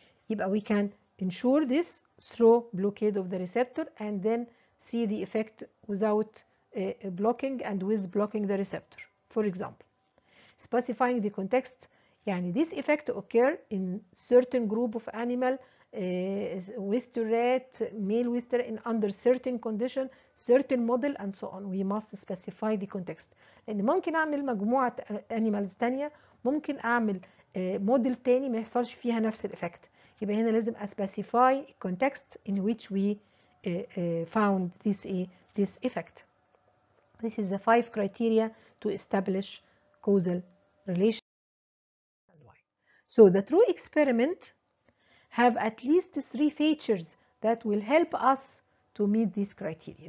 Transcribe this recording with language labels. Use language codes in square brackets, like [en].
[en] يبقى we can ensure this through blockade of the receptor and then see the effect without blocking and with blocking the receptor. For example, specifying the context. يعني this effect occur in certain group of animal oyster rat, male oyster in under certain condition, certain model and so on. We must specify the context. [ar] لأن ممكن أعمل مجموعة animals تانية ممكن أعمل model تاني ما يحصلش فيها نفس الإفكت. يبقى هنا لازم [en] specify context in which we found this effect. This is the 5 criteria to establish causal relation. So the true experiment have at least 3 features that will help us to meet this criteria.